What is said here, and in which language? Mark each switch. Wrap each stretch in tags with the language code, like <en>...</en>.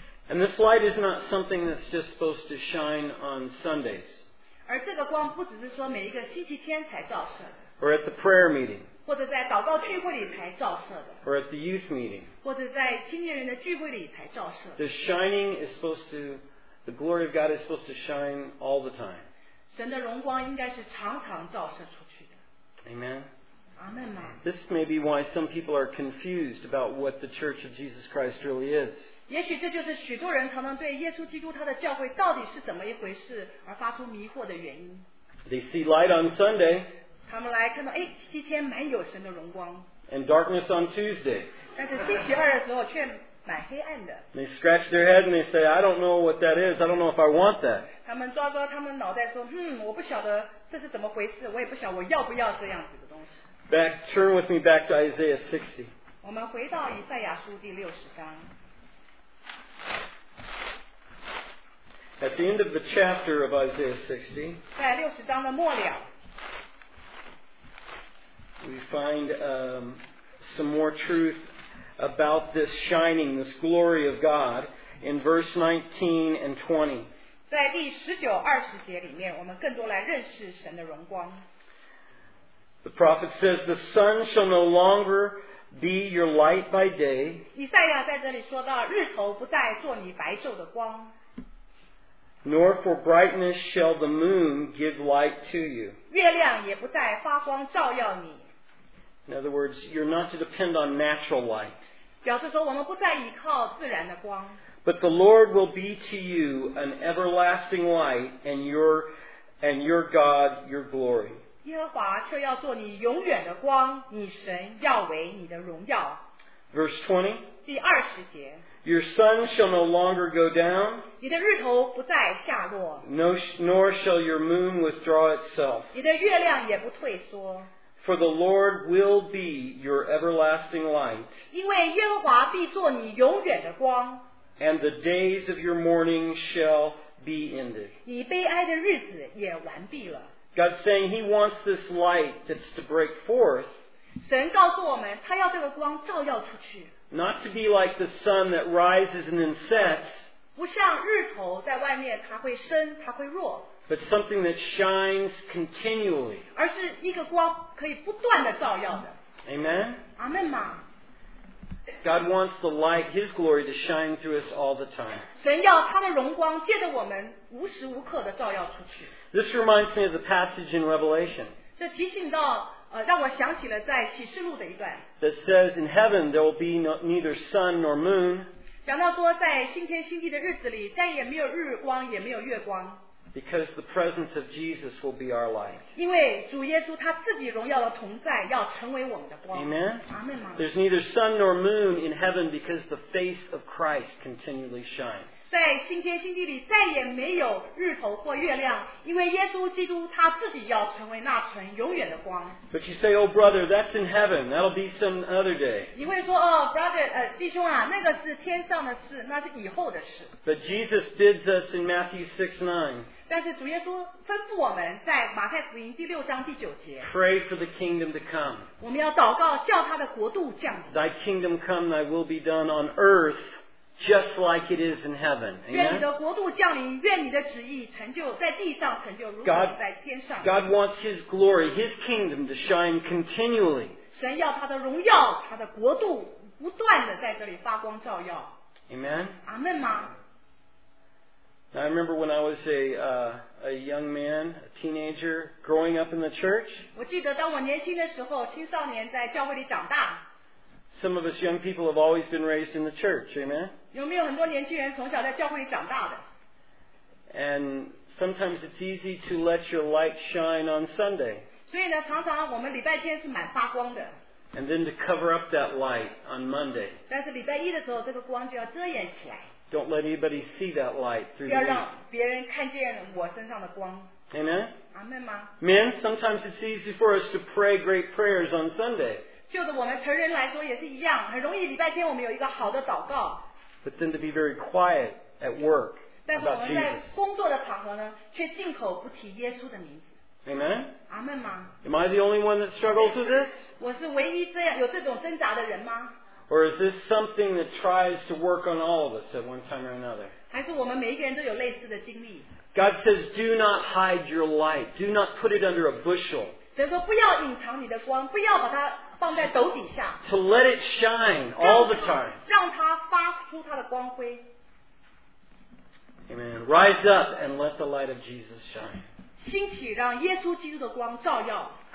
<en>And this light is not something that's just supposed to shine on Sundays.</en> <zh>而这个光不只是说每一个星期天才照射的。</zh> <en>Or at the prayer meeting.</en> <zh>或者在祷告聚会里才照射的。</zh> <en>Or at the youth meeting.</en> <zh>或者在青年人的聚会里才照射。</zh> <en>The shining is supposed to, the glory of God is supposed to shine all the time.</en> <zh>神的荣光应该是常常照射出去的。</zh> <en>Amen. Amen. This may be why some people are confused about what the Church of Jesus Christ really is.</en> <zh>也许这就是许多人常常对耶稣基督他的教会到底是怎么一回事而发出迷惑的原因。</zh> <en>They see light on Sunday.</en> <zh>他们来看到，哎，星期天满有神的荣光。</zh> <en>And darkness on Tuesday.</en> <zh>但是星期二的时候却蛮黑暗的。</zh> <en>They scratch their head and they say, I don't know what that is. I don't know if I want that.</en> <zh>他们抓抓他们脑袋说，我不晓得这是怎么回事，我也不晓得我要不要这样子的东西。</zh> <en>Turn with me back to Isaiah 60.</en> <zh>我们回到以赛亚书第六十章。</zh> <en>At the end of the chapter of Isaiah 60,</en> <zh>在六十章的末了，</zh> <en>we find some more truth about this shining, this glory of God in verse 19 and 20.</en> <zh>在第十九二十节里面，我们更多来认识神的荣光。</zh> <en>The prophet says, "The sun shall no longer be your light by day."</en> <zh>以赛亚在这里说到，日头不再做你白昼的光。</zh> <en>Nor for brightness shall the moon give light to you.</en> <zh>月亮也不再发光照耀你。</zh> <en>In other words, you're not to depend on natural light.</en> <zh>表示说我们不再依靠自然的光。</zh> <en>But the Lord will be to you an everlasting light and your God your glory.</en> <zh>耶和华却要做你永远的光，你神要为你的荣耀。</zh> <en>Verse 20.</en> <zh>第二十节。</zh> <en>Your sun shall no longer go down.</en> <zh>你的日头不再下落。</zh> <en>Nor shall your moon withdraw itself.</en> <zh>你的月亮也不退缩。</zh> <en>For the Lord will be your everlasting light.</en> <zh>因为耶和华必做你永远的光。</zh> <en>And the days of your mourning shall be ended.</en> <zh>你悲哀的日子也完毕了。</zh> <en>God's saying He wants this light that's to break forth.</en> <zh>神告诉我们，他要这个光照耀出去。</zh> <en>Not to be like the sun that rises and then sets.</en> <zh>不像日头在外面，它会升，它会落。</zh> <en>But something that shines continually.</en> <zh>而是一个光可以不断的照耀的。</zh> <en>Amen. Amen. God wants the light, His glory, to shine through us all the time.</en> <zh>神要他的荣光借着我们无时无刻的照耀出去。</zh> <en>This reminds me of the passage in Revelation.</en> <zh>这提醒到让我想起了在启示录的一段。</zh> <en>That says in heaven there will be neither sun nor moon.</en> <zh>讲到说在新天新地的日子里再也没有日光也没有月光。</zh> <en>Because the presence of Jesus will be our light.</en> <zh>因为主耶稣他自己荣耀的同在要成为我们的光。</zh> <en>Amen. Amen. There's neither sun nor moon in heaven because the face of Christ continually shines.</en> <zh>在新天新地里再也没有日头或月亮，因为耶稣基督他自己要成为那存永远的光。</zh> <en>But you say, "Oh, brother, that's in heaven. That'll be some other day."</en> <zh>你会说，哦 ，brother， 弟兄啊，那个是天上的事，那是以后的事。</zh> <en>But Jesus bids us in Matthew 6:9.</en> <zh>但是主耶稣吩咐我们在马太福音第六章第九节。</zh> <en>Pray for the kingdom to come.</en> <zh>我们要祷告，叫他的国度降临。</zh> <en>Thy kingdom come, thy will be done on earth, just like it is in heaven.</en> <zh>愿你的国度降临，愿你的旨意成就在地上成就，如同在天上。</zh> <en>God wants His glory, His kingdom to shine continually.</en> <zh>神要他的荣耀他的国度不断地在这里发光照耀</zh> <en>Amen</en> <zh>阿们吗</zh> <en>Now, I remember when I was a young man a teenager growing up in the church</en> <zh>我记得当我年轻的时候青少年在教会里长大</zh> <en>Some of us young people have always been raised in the church, amen?</en> <zh>有没有很多年轻人从小在教会里长大的?</zh> <en>And sometimes it's easy to let your light shine on Sunday.</en> <zh>所以呢，常常我们礼拜天是蛮发光的。</zh> <en>And then to cover up that light on Monday.</en> <zh>但是礼拜一的时候，这个光就要遮掩起来。</zh> <en>Don't let anybody see that light through the</en> <zh>要让别人看见我身上的光。</zh> <en>Amen?</en> <zh>阿们吗?</zh> <en>Men, sometimes it's easy for us to pray great prayers on Sunday.</en> <zh>就着我们成人来说也是一样，很容易礼拜天我们有一个好的祷告。</zh> <en>But then to be very quiet at work about Jesus.</en> <zh>但是我们在工作的场合呢，却进口不提耶稣的名字。</zh> <en>Amen.</en> <zh>阿们吗</zh> <en>？Am I the only one that struggles with this?</en> <zh>我是唯一这样有这种挣扎的人吗</zh> <en>？Or is this something that tries to work on all of us at one time or another?</en> <zh>还是我们每一个人都有类似的经历</zh> <en>？God says, "Do not hide your light. Do not put it under a bushel."</en> <zh>神说不要隐藏你的光，不要把它。放在斗底下</zh> <en>to let it shine all the time</en> <zh>让它发出它的光辉</zh> <en>Amen Rise up and let the light of Jesus shine</en> <zh>兴起让耶稣基督的光照耀</zh>